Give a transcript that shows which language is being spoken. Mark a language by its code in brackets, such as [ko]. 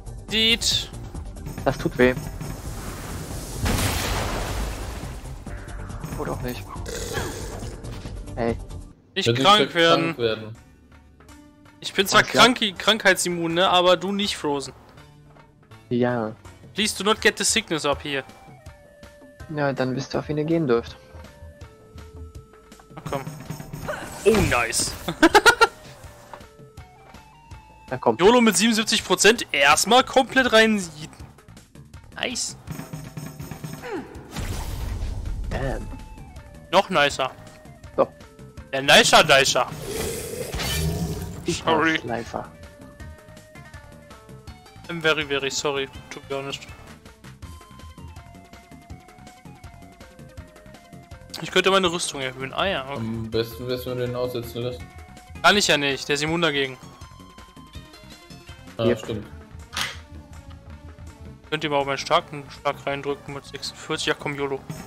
[de] Diet! Das tut weh. Oder auch nicht. Ey. Nicht krank werden. Ich bin zwar krankheitsimmun, ne, aber du nicht frozen. Ja. [en] Please do not get the sickness up here. [de] Ja, dann wisst ihr, auf wen ihr gehen dürft. Na komm. Oh, nice. Na komm. YOLO mit 77% erstmal komplett rein. [en] Nice. Damn. [de] Noch nicer. So. Der nicer Dicer. [en] Sorry. I'm very very sorry, to be honest. [de] Ich könnte meine Rüstung erhöhen. Ah ja, okay. Am besten wirst du den aussetzen lassen. Kann ich ja nicht, der ist immun dagegen. Ah, ja, stimmt. Könnt ihr mal auf meinen starken Schlag reindrücken mit 46? Ja, komm, YOLO.